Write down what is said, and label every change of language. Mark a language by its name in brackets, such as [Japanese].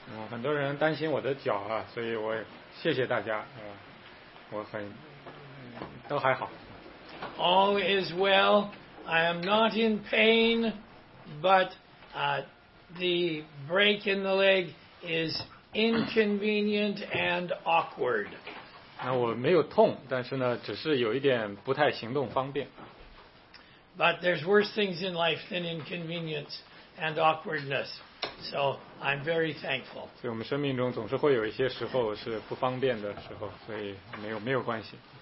[Chinese] 很多人担心我的脚啊，所以我谢谢大家，我很都还好。 [English] All is well. I am not in pain, but the break in the leg is inconvenient and awkward. [Chinese] 那我没有痛，但是呢，只是有一点不太行动方便。 [English] But there's worse things in life than inconvenience and awkwardness. So I'm very thankful. [Chinese] 所以我们生命中总是会有一些时候是不方便的时候，所以没有关系。